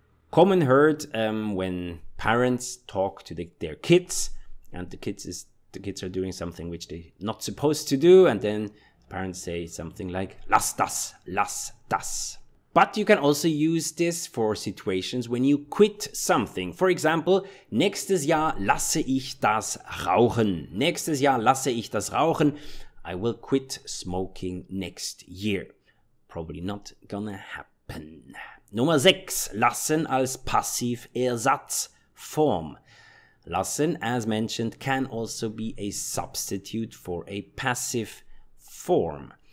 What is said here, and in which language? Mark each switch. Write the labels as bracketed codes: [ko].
[en] Common heard when parents talk to their kids, and the kids are doing something which they're not supposed to do, and then parents say something like, [de] lass das. [en] But you can also use this for situations when you quit something. For example, [de] nächstes Jahr lasse ich das rauchen. Nächstes Jahr lasse ich das rauchen. [en] I will quit smoking next year. Probably not gonna happen. [de] Lippen. Nummer 6. Lassen als Passiversatzform. [en] Lassen, as mentioned, can also be a substitute for a passive form.